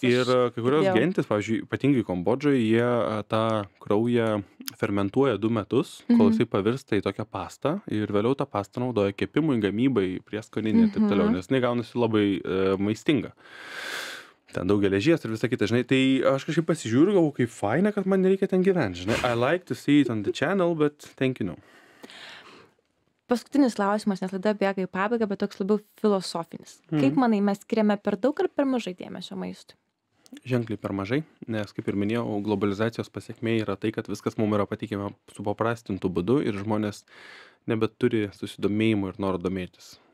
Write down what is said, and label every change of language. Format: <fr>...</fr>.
<lt>Taip, ir kai kurios gentis, pavyzdžiui, ypatingai Kambodžoje, jie tą kraują fermentuoja 2 metus, kol jisai pavirsta į tokią pastą ir vėliau tą pastą naudoja kepimui, gamybai, prieskoninį ir taip toliau, nes negaunasi labai maistinga. Ten daug geležies ir visa kita, žinai, tai aš kažkaip pasižiūriu, galvoju, kaip faina, kad man nereikia ten gyventi, žinai.</lt> <en>I like to see it on the channel, but thank you.</en> <lt>Paskutinis klausimas, nes laida bėga į pabaigą, bet toks labiau filosofinis. Kaip manai, mes skiriame per daug ar per mažai dėmesio maistui? Ženkliai per mažai, nes, kaip ir minėjau, globalizacijos pasiekmė yra tai, kad viskas mums yra pateikiama su paprastintu būdu ir žmonės nebeturi susidomėjimo ir noro domėtis.</lt>